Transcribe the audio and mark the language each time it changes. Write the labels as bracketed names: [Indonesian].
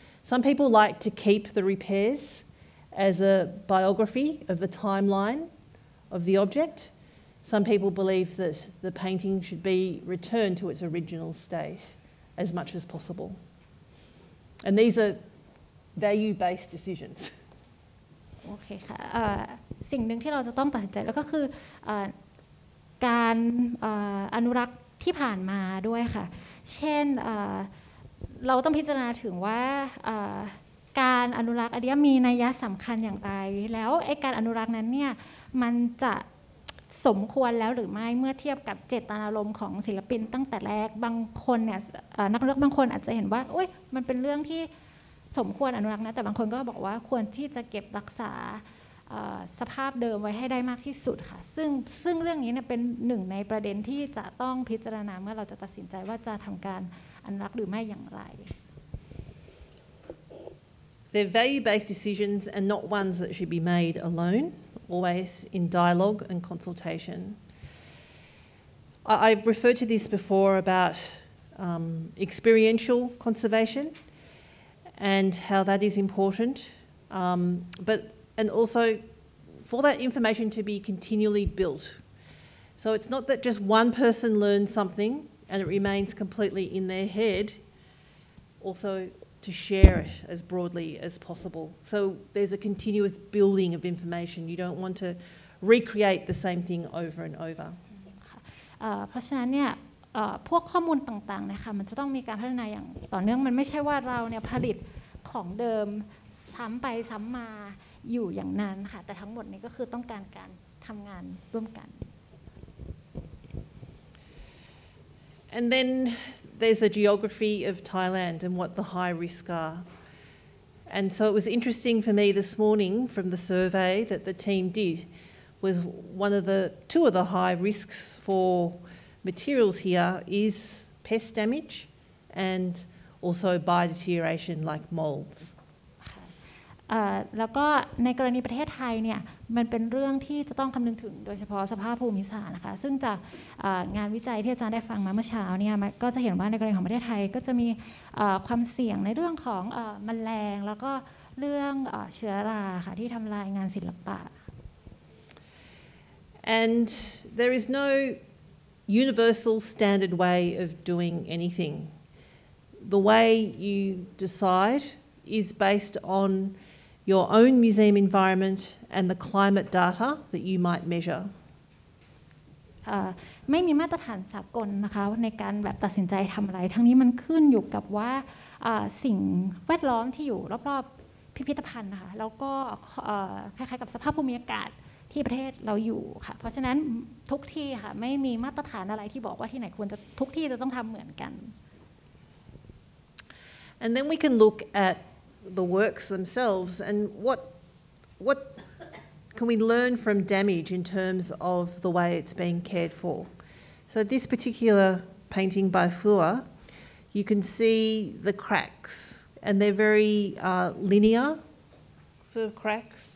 [English] Some people like to keep the repairs as a biography of the timeline of the object. Some people believe that the painting should be returned to its original state as much as possible. And these are value-based decisions. [Thai] Okay, ค่ะสิ่งหนึ่งที่เราจะต้องตัดสินใจแล้วก็คือการอนุรักษ์ที่ผ่านมาด้วยค่ะเช่นเราต้องพิจารณาถึงว่า การอนุรักษ์อันนี้มีนัยยะสำคัญอย่างไรแล้วไอ้การอนุรักษ์นั้นเนี่ยมันจะสมควรแล้วหรือไม่เมื่อเทียบกับเจตนารมณ์ของศิลปินตั้งแต่แรกบางคนเนี่ยนักเลือกบางคนอาจจะเห็นว่าอุ๊ยมันเป็นเรื่องที่สมควรอนุรักษ์นะแต่บางคนก็บอกว่าควรที่จะเก็บรักษา สภาพเดิมไว้ให้ได้มากที่สุดค่ะซึ่งเรื่องนี้เนี่ยเป็นหนึ่งในประเด็นที่จะต้องพิจารณาเมื่อเราจะตัดสินใจว่าจะทำการอนุรักษ์หรือไม่อย่างไร [English] They're value-based decisions and not ones that should be made alone, always in dialogue and consultation. I referred to this before about experiential conservation and how that is important. And also for that information to be continually built. So it's not that just one person learns something and it remains completely in their head, also to share it as broadly as possible. So there's a continuous building of information. You don't want to recreate the same thing over and over. [Thai] เพราะฉะนั้นเนี่ยพวกข้อมูลต่างๆนะคะมันจะต้องมีการพัฒนาอย่างต่อเนื่องมันไม่ใช่ว่าเราเนี่ยผลิตของเดิมซ้ำไปซ้ำมาอยู่อย่างนั้นค่ะแต่ทั้งหมดนี้ก็คือต้องการการทำงานร่วมกัน [English] And thenThere's a geography of Thailand and what the high risks are. And so it was interesting for me this morning from the survey that the team did was two of the high risks for materials here is pest damage and also biodeterioration like molds. [Thai] แล้วก็ในกรณีประเทศไทยเนี่ยมันเป็นเรื่องที่จะต้องคำนึงถึงโดยเฉพาะสภาพภูมิศาสตร์นะคะซึ่งจากงานวิจัยที่อาจารย์ได้ฟังมาเมื่อเช้าเนี่ยก็จะเห็นว่าในกรณีของประเทศไทยก็จะมีความเสี่ยงในเรื่องของแมลงแล้วก็เรื่องเชื้อราค่ะที่ทำลายงานศิลปะ [English] And there is no universal standard way of doing anything. The way you decide is based onyour own museum environment and the climate data that you might measure. [Thai] ไม่มีมาตรฐานสากลนะคะในการแบบตัดสินใจทำอะไรทั้งนี้มันขึ้นอยู่กับว่าสิ่งแวดล้อมที่อยู่รอบๆพิพิธภัณฑ์นะคะแล้วก็คล้ายๆกับสภาพภูมิอากาศที่ประเทศเราอยู่ค่ะเพราะฉะนั้นทุกที่ค่ะไม่มีมาตรฐานอะไรที่บอกว่าที่ไหนควรจะทุกที่จะต้องทำเหมือนกัน [English] And then we can look at the works themselves and what can we learn from damage in terms of the way it's being cared for. So this particular painting by Fua, you can see the cracks, and they're very linear sort of cracks.